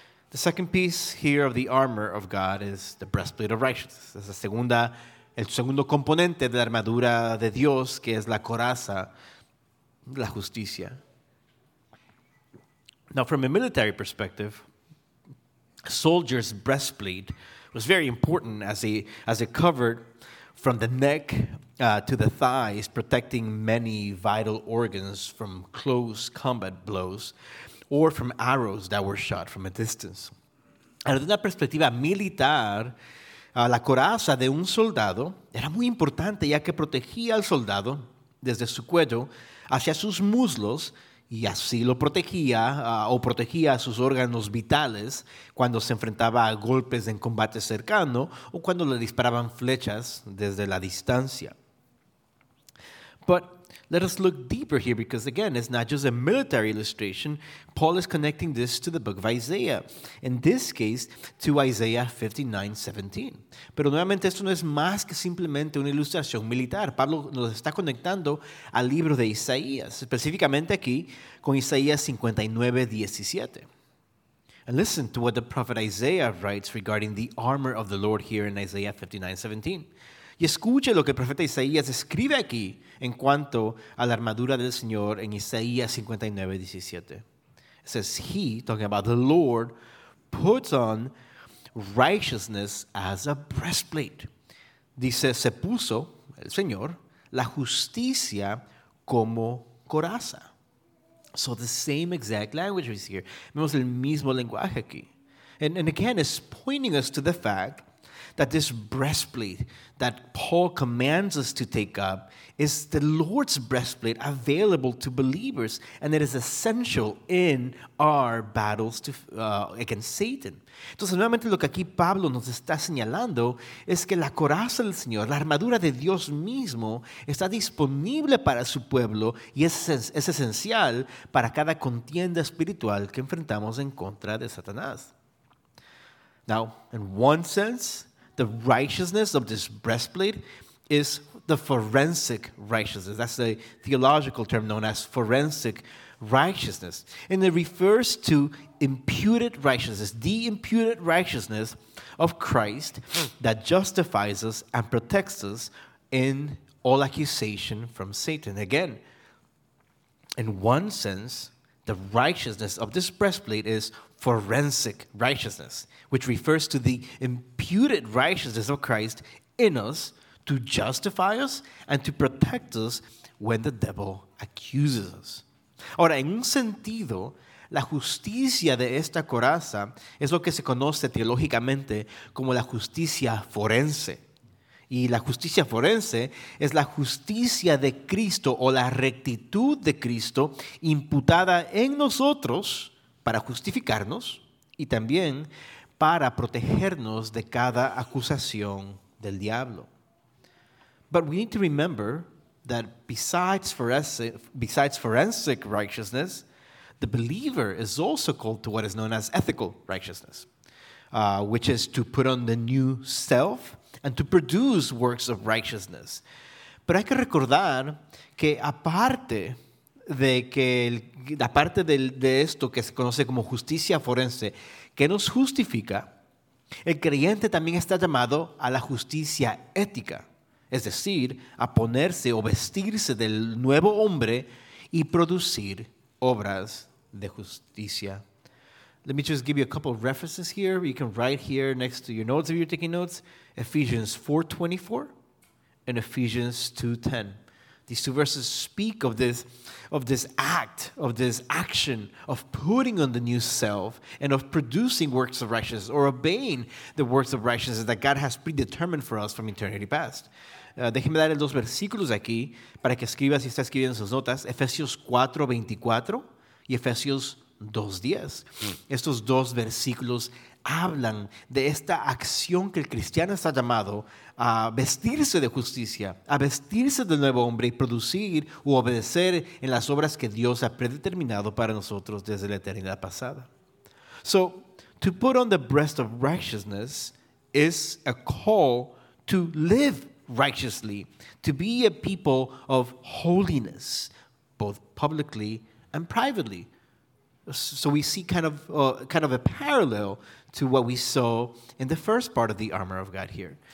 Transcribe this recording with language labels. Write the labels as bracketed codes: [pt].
[en] The second piece here of the armor of God is the breastplate of righteousness. [es] Es el segundo componente de la armadura de Dios, que es la coraza de la justicia. [en] Now, from a military perspective, a soldier's breastplate was very important as it covered from the neck to the thighs, protecting many vital organs from close combat blows or from arrows that were shot from a distance. [es] Desde una perspectiva militar, la coraza de un soldado era muy importante, ya que protegía al soldado desde su cuello hacia sus muslos, y así lo protegía o protegía sus órganos vitales cuando se enfrentaba a golpes en combate cercano o cuando le disparaban flechas desde la distancia. [en] But let us look deeper here, because again, it's not just a military illustration. Paul is connecting this to the book of Isaiah. In this case, to Isaiah 59:17. [es] Pero nuevamente, esto no es más que simplemente una ilustración militar. Pablo nos está conectando al libro de Isaías, específicamente aquí con Isaías 59:17. [en] And listen to what the prophet Isaiah writes regarding the armor of the Lord here in Isaiah 59:17. [es] Y escuche lo que el profeta Isaías escribe aquí en cuanto a la armadura del Señor en Isaías 59:17. [en] It says, he, talking about the Lord, puts on righteousness as a breastplate. [es] Dice, se puso, el Señor, la justicia como coraza. [en] So the same exact language we see here. [es] Vemos el mismo lenguaje aquí. [en] And again, it's pointing us to the fact that this breastplate that Paul commands us to take up is the Lord's breastplate available to believers, and it is essential in our battles against Satan. [es] Entonces, nuevamente lo que aquí Pablo nos está señalando es que la coraza del Señor, la armadura de Dios mismo, está disponible para su pueblo y es esencial para cada contienda espiritual que enfrentamos en contra de Satanás. [en] Now, in one sense, the righteousness of this breastplate is the forensic righteousness. That's a theological term known as forensic righteousness. And it refers to imputed righteousness, the imputed righteousness of Christ that justifies us and protects us in all accusation from Satan. Again, in one sense, the righteousness of this breastplate is forensic righteousness, which refers to the imputed righteousness of Christ in us to justify us and to protect us when the devil accuses us. [es] Ahora, en un sentido, la justicia de esta coraza es lo que se conoce teológicamente como la justicia forense. Y la justicia forense es la justicia de Cristo o la rectitud de Cristo imputada en nosotros para justificarnos y también para protegernos de cada acusación del diablo. [en] But we need to remember that besides forensic righteousness, the believer is also called to what is known as ethical righteousness, which is to put on the new self and to produce works of righteousness. [es] Pero hay que recordar que aparte de esto que se conoce como justicia forense, que nos justifica, el creyente también está llamado a la justicia ética, es decir, a ponerse o vestirse del nuevo hombre y producir obras de justicia. [en] Let me just give you a couple of references here. You can write here next to your notes if you're taking notes. Ephesians 4:24 and Ephesians 2:10. These two verses speak of this action of putting on the new self and of producing works of righteousness or obeying the works of righteousness that God has predetermined for us from eternity past. [es] Déjeme dar el dos versículos aquí para que escriba si está escribiendo sus notas. Efesios 4:24 y Efesios 2:10. Estos dos versículos hablan de esta acción que el cristiano está llamado a vestirse de justicia, a vestirse del nuevo hombre y producir u obedecer en las obras que Dios ha predeterminado para nosotros desde la eternidad pasada. [en] So, to put on the breast of righteousness is a call to live righteously, to be a people of holiness, both publicly and privately. So we see kind of a parallel to what we saw in the first part of the armor of God here.